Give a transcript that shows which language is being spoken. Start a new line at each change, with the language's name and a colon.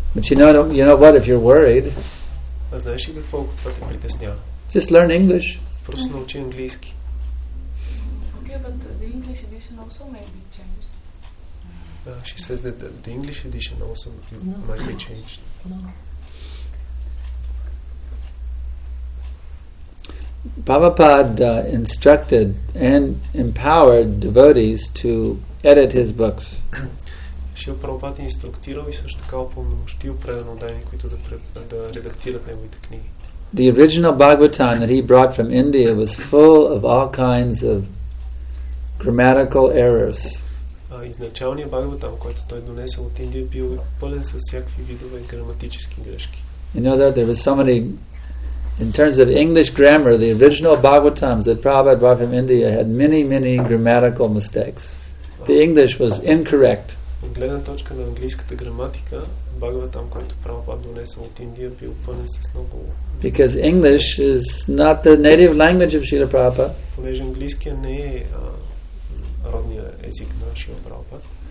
English: But you know what, if you're worried,
Bulgarian: знаеш ли какво, ако това те притеснява?
English: Just learn English.
Bulgarian: Просто научи английски.
English: Okay, but the English edition also may be changed. She says that the English edition also might be changed. No. Prabhupada instructed and empowered devotees to edit his books.
Bulgarian: Шрила Прабхупада инструктирал и също така упълномощил преданите дайни, които да редактират неговите книги.
English: The original Bhagavatam that he brought from India was full of all kinds of grammatical errors.
Bulgarian: Изначалният Бхагаватам, който той донесъл от Индия, бил пълен с всякакви видове граматически грешки.
English: You know that there was somebody. In terms of English grammar, the original Bhagavatams that Prabhupada brought from India had many, many grammatical mistakes. The English was incorrect.
Bulgarian: От гледна точка на английската граматика, Бхагаватам, който Прабхупада донесъл от Индия, бил пълен с много.
English: Because English is not the native language of Srila Prabhupada.
Bulgarian: Понеже английският не е родния език на Шрила Прабхупада.